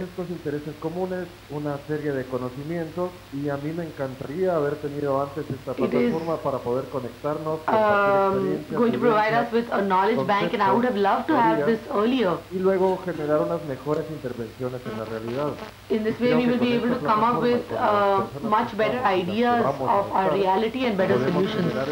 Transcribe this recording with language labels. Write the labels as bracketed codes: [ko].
[es] Estos intereses comunes, una serie de conocimientos, y a mí me encantaría haber tenido antes esta plataforma para poder conectarnos. [en] Going to provide us with a knowledge bank, and I would have loved to have this earlier. [es] Y luego generar unas mejores intervenciones en la realidad. [en] In this way, we will be able to come up with much better ideas of our reality and better solutions.